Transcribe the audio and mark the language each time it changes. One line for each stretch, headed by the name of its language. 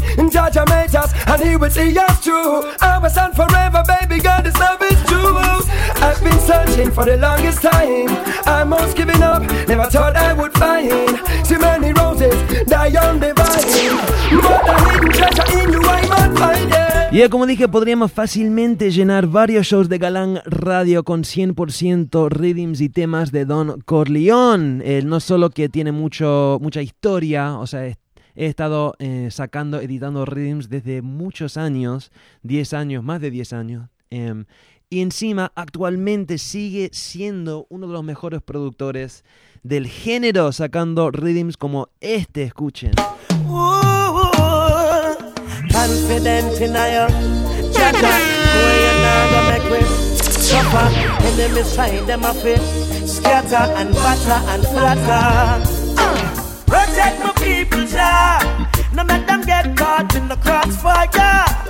English: Judge our majors, and he will see us through. Our son forever, baby girl, this love is true. I've been searching for the longest time. I'm almost giving up, never thought I would find. Too many roses die on the vine. But the hidden treasure in you I might find it.
Spanish: Y ya como dije, podríamos fácilmente llenar varios shows de Galán Radio con 100% rhythms y temas de Don Corleone. No solo que tiene mucha historia, o sea, he estado sacando, editando rhythms desde muchos años, 10 años, más de 10 años. Y encima, actualmente sigue siendo uno de los mejores productores del género, sacando rhythms como este, escuchen.
English: Confident in your judgment, boy, you're not make me suffer. Enemy side, them a fit, scatter and batter and flatter. Protect my people, Jah. No make them get caught in the crossfire.